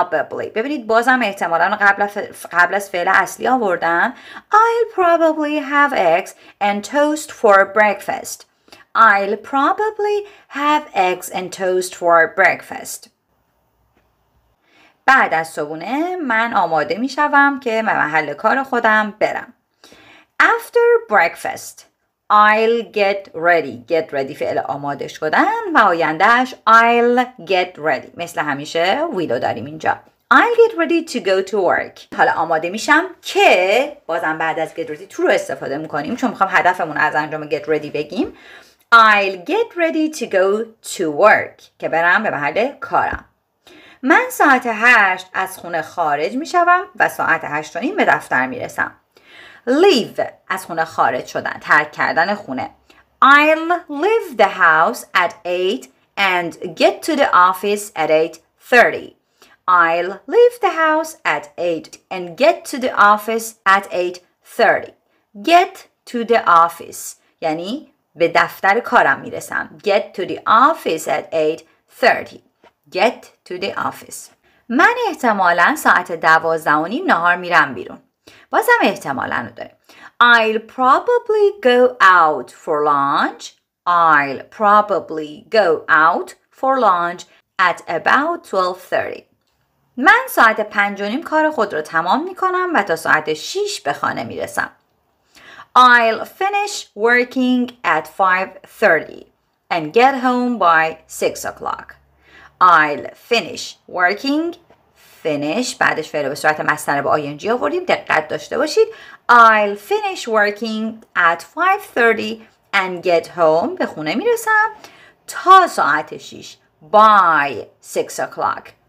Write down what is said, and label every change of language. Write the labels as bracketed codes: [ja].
[fa] ببینید بازم احتمالاً قبل از فعل اصلی آوردم. [en] I'll probably have eggs and toast for breakfast. I'll probably have eggs and toast for breakfast. [fa] بعد از صبحونه من آماده می شوم که به محل کار خودم برم. [en] After breakfast, I'll get ready. [fa] Get ready فعل آماده شدن و آیندهش [en] I'll get ready. [fa] مثل همیشه ویلو داریم اینجا. [en] I'll get ready to go to work. [fa] حالا آماده میشم که بازم بعد از get ready تو رو استفاده میکنیم چون میخوام هدفمون از انجام get ready بگیم. [en] I'll get ready to go to work [fa] که برم به محل کارم. من ساعت 8 از خونه خارج می شوم و ساعت 8:30 به دفتر می رسم. Leave از خونه خارج شدن، ترک کردن خونه. [en] I'll leave the house at 8 and get to the office at 8:30. I'll leave the house at 8 and get to the office at 8:30. [fa] Get to the office یعنی به دفتر کارم می رسم. [en] Get to the office at 8:30. Get to the office. [fa] من احتمالاً ساعت 12:30 نهار میرم بیرون. بازم احتمالاً رو داریم. [en] I'll probably go out for lunch at about 12:30. [fa] من ساعت 5:30 کار خود را تمام می کنم و تا ساعت 6 به خانه می رسم. [en] I'll finish working at 5:30 and get home by 6 o'clock. I'll finish working. [fa] Finish بعدش فعل به صورت مصدر با ing آوردیم، دقت داشته باشید. [en] I'll finish working at 5:30 and get home [fa] به خونه می رسم تا ساعت 6 [en] by 6 o'clock.